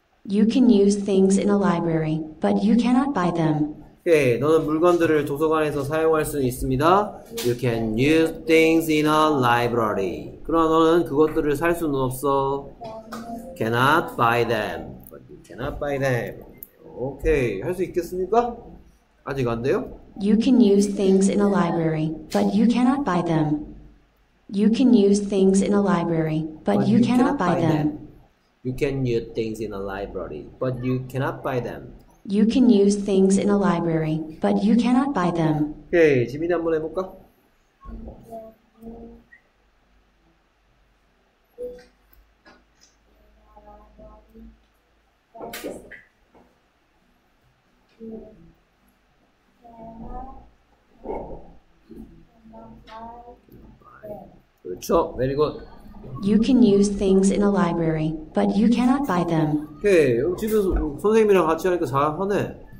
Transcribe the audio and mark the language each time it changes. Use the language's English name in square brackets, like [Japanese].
[English] You can use things in a library, but you cannot buy them. Okay. [Korean] 너는 물건들을 도서관에서 사용할 수 있습니다. [English] You can use things in a library. [Korean] 그러나 너는 그것들을 살 수는 없어. [English] Cannot buy them. But you cannot buy them. 오케이. [Korean] 할 수 있겠습니까? 아직 안 돼요? [English] You can use things in a library, but you cannot buy them. You can use things in a library, but you cannot buy them. You can use things in a library, but you cannot buy them. You can use things in a library, but you cannot buy them. [Korean] 오케이. 지민이 한번 해볼까? 그렇죠. [English] Very good. You can use things in a library, but you cannot buy them. 오케이. Okay. [Korean] 집에서 선생님이랑 같이 하니까 잘하네.